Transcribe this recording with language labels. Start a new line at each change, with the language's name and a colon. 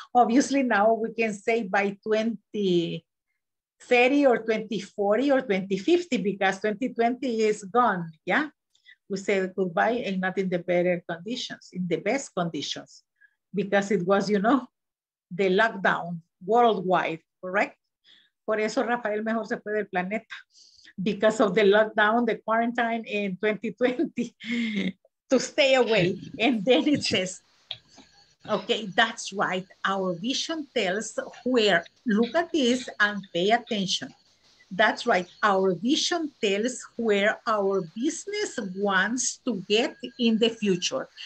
English: Obviously now we can say by 2030 or 2040 or 2050, because 2020 is gone, yeah? We said goodbye and not in the better conditions, in the best conditions, because it was, you know, the lockdown worldwide, correct?
Spanish: Por eso Rafael mejor se fue del planeta.
English: Because of the lockdown, the quarantine in 2020 to stay away. And then it says, okay, that's right. Our vision tells where, look at this and pay attention. That's right. Our vision tells where our business wants to get in the future.